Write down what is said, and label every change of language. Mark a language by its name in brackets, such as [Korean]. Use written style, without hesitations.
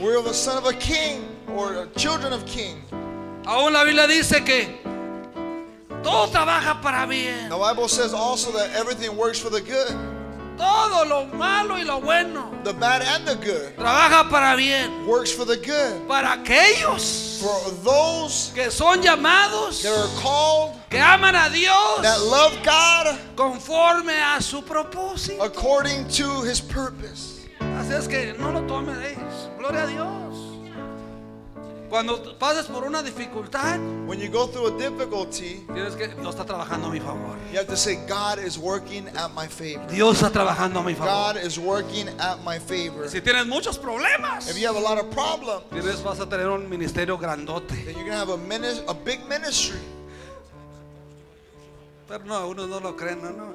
[English] We're the son of a king or children of king. [Spanish] Aún la Biblia dice que todo trabaja para bien. [English] The Bible says also that everything works for the good. [Spanish] Todo lo malo y lo bueno. [English] The bad and the good. [Spanish] Trabaja para bien. [English] Works for the good. [Spanish] Para aquellos. [English] For those. [Spanish] Que son llamados. [English] That are called. [Spanish] Que aman a Dios. [English] That love God. [Spanish] Conforme a su propósito. [English] According to his purpose. [Spanish] Así es que no lo tomes de ellos. Gloria a Dios. Cuando pases por una dificultad, [English] when you go through a difficulty, [Spanish] tienes que Dios está trabajando a mi favor. [English] You have to say God is working at my favor. [Spanish] Dios está trabajando a mi favor. [English] God is working at my favor. [Spanish] Si tienes muchos problemas, [English] if you have a lot of problems, [Spanish] tienes vas a tener un ministerio grandote. [English] Then you're gonna have a big ministry. [Spanish] Pero no, algunos no lo creen, no.